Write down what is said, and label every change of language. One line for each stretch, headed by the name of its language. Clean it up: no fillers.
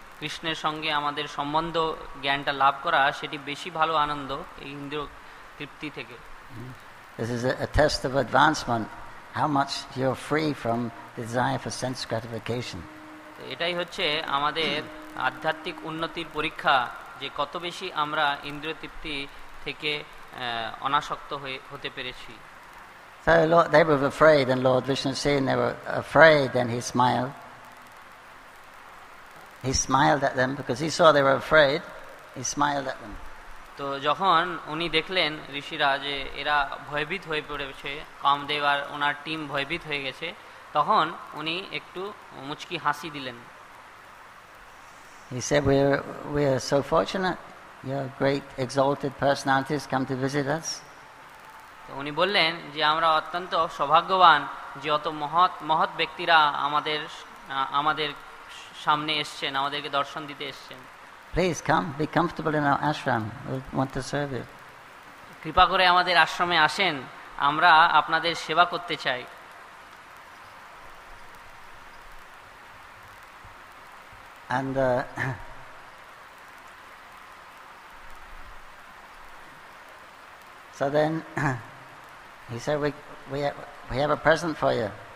Bangla: কৃষ্ণের সঙ্গে আমাদের সম্বন্ধ জ্ঞানটা লাভ করা সেটি বেশি ভালো আনন্দ এই ইন্দ্রিয় তৃপ্তি থেকে।
English: This is a test of advancement, how much you are free from the desire for sense gratification.
Bangla: এটাই হচ্ছে আমাদের আধ্যাত্মিক উন্নতির পরীক্ষা, যে কত বেশি আমরা ইন্দ্রিয় তৃপ্তি থেকে অনাসক্ত হতে পেরেছি।
English: So Lord, they were afraid, and Lord Vishnu seeing they were afraid, then he smiled at them, because he saw they were afraid, he smiled at them.
Bangla: তো যখন উনি দেখলেন ঋষিরা যে এরা ভয়ভীত হয়ে পড়েছে, কামদেব আর ওনার টিম ভয়ভীত হয়ে গেছে, তখন উনি একটু মুচকি হাসি দিলেন।
English: He said, we are so fortunate, your great exalted personalities come to visit us.
Bangla: তো উনি বললেন যে আমরা অত্যন্ত সৌভাগ্যবান যে অত মহৎ মহৎ ব্যক্তিরা আমাদের সামনে এসেছেন, আমাদেরকে দর্শন দিতে এসেছেন।
English: Please come, be comfortable in our ashram, we want to serve you.
Bangla: কৃপা করে আমাদের আশ্রমে আসেন, আমরা আপনাদের সেবা করতে চাই।
English: And so then he said, we have a present for you.